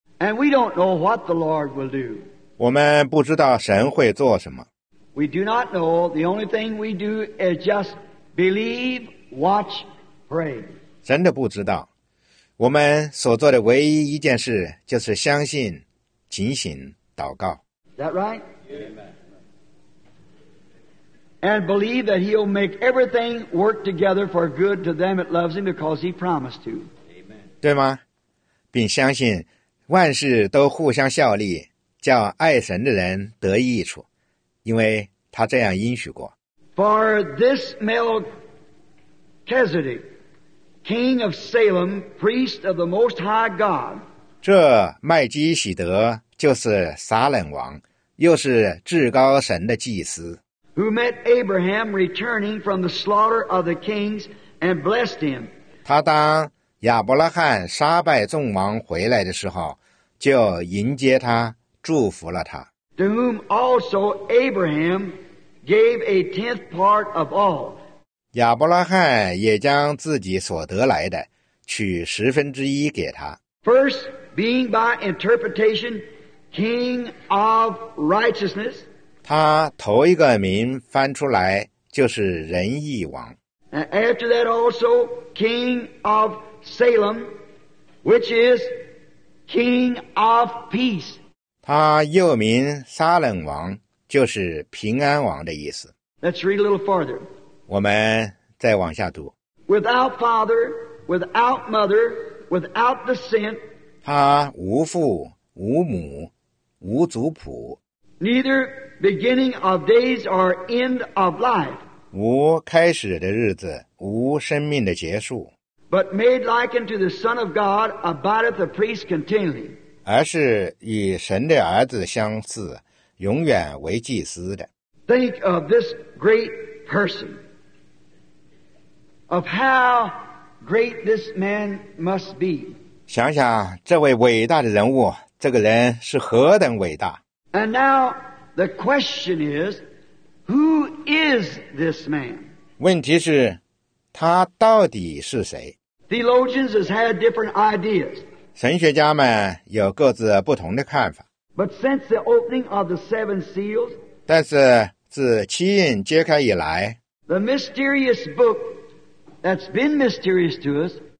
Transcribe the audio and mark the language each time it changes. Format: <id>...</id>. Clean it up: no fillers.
<en>And we don't know what the Lord will do.</en> <zh>我们不知道神会做什么。</zh> <en>We do not know. The only thing we do is just believe, watch, pray.</en> <zh>真的不知道。我们所做的唯一一件事就是相信、警醒、祷告。</zh> <en>Is that right? Amen. And believe that He'll make everything work together for good to them that loves Him because He promised to. Amen.</en> <zh>对吗？并相信万事都互相效力，叫爱神的人得益处，因为他这样应许过。</zh> <en>For this Melchizedek, King of Salem, priest of the Most High God.</en> <zh>这麦基洗德就是撒冷王，又是至高神的祭司。</zh> <en>Who met Abraham returning from the slaughter of the kings and blessed him?</en> <zh>他当亚伯拉罕杀败众王回来的时候，就迎接他，祝福了他。</zh> <en>To whom also Abraham gave a tenth part of all.</en> <zh>亚伯拉罕也将自己所得来的取十分之一给他。</zh> <en>First, being by interpretation King of Righteousness.</en> <zh>他头一个名翻出来就是仁义王。</zh> <en>After that also King of Salem, which is King of Peace.</en> <zh>他又名撒冷王，就是平安王的意思。</zh> <en>Let's read a little farther.</en> <zh>我们再往下读。</zh> <en>Without father, without mother, without descent.</en> <zh>他无父无母无族谱。</zh> <en>Neither beginning of days or end of life.</en> <zh>无开始的日子，无生命的结束。</zh> <en>But made like unto the Son of God abideth the priest continually.</en> <zh>而是与神的儿子相似，永远为祭司的。</zh> <en>Think of this great person. Of how great this man must be.</en> <zh>想想这位伟大的人物，这个人是何等伟大。</zh> <en>And now the question is, who is this man?</en> <zh>问题是，他到底是谁？</zh> <en>Theologians has had different ideas.</en> <zh>神学家们有各自不同的看法。</zh> <en>But since the opening of the seven seals,</en> <zh>但是自七印揭开以来，</zh> <en>the mysterious book that's been mysterious to us,</en>